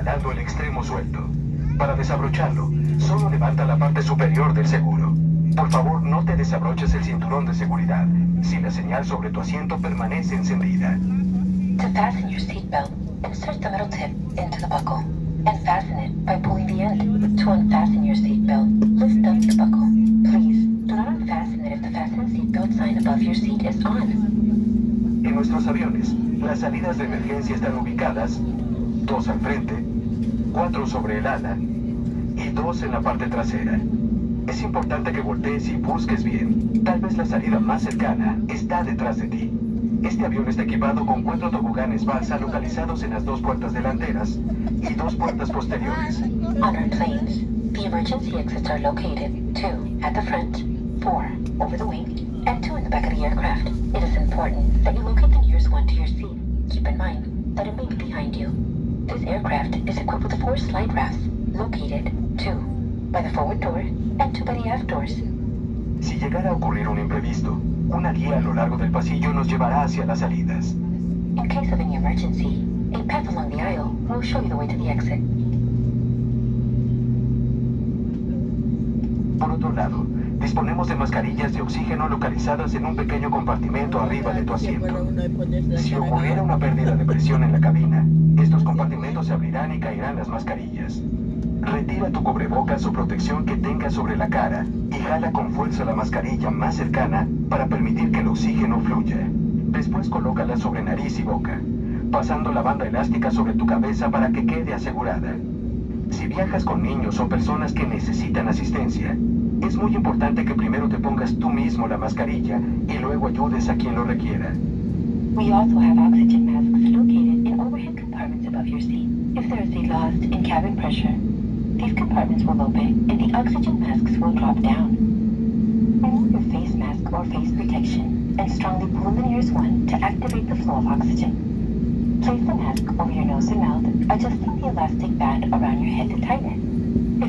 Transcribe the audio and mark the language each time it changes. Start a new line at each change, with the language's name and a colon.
Spanish: El extremo suelto. Para desabrocharlo, solo levanta la parte superior del seguro. Por favor, no te desabroches el cinturón de seguridad si la señal sobre tu asiento permanece encendida.
English: To fasten your seatbelt, insert the middle tip into the buckle and fasten it by pulling the end. To unfasten your seatbelt, lift up the buckle. Please, do not unfasten it if the fasten seatbelt sign above your seat is on.
Spanish: En nuestros aviones, las salidas de emergencia están ubicadas 2 al frente, 4 sobre el ala y 2 en la parte trasera. Es importante que voltees y busques bien. Tal vez la salida más cercana está detrás de ti. Este avión está equipado con 4 toboganes balsa localizados en las 2 puertas delanteras y 2 puertas posteriores.
English: On our planes, the emergency exits are located 2 at the front, 4 over the wing, and 2 in the back of the aircraft. It is important that you locate the nearest one to your seat. Keep in mind that it may be behind you. This aircraft is equipped with 4 slide rafts, located 2 by the forward door and 2 by the aft doors.
Spanish: Si llegara a ocurrir un imprevisto, una guía a lo largo del pasillo nos llevará hacia las salidas.
English: In case of any emergency, a path along the aisle will show you the way to the exit.
Spanish: Por otro lado, disponemos de mascarillas de oxígeno localizadas en un pequeño compartimento arriba de tu asiento. Si ocurriera una pérdida de presión en la cabina, estos compartimentos se abrirán y caerán las mascarillas. Retira tu cubrebocas o protección que tengas sobre la cara y jala con fuerza la mascarilla más cercana para permitir que el oxígeno fluya. Después colócala sobre nariz y boca, pasando la banda elástica sobre tu cabeza para que quede asegurada. Si viajas con niños o personas que necesitan asistencia, es muy importante que primero te pongas tú mismo la mascarilla y luego ayudes a quien lo requiera.
English: We also have oxygen masks located in overhead compartments above your seat. If there is a loss in cabin pressure, these compartments will open and the oxygen masks will drop down. Remove your face mask or face protection and strongly pull the nearest one to activate the flow of oxygen. Place the mask over your nose and mouth, adjusting the elastic band around your head to tighten it.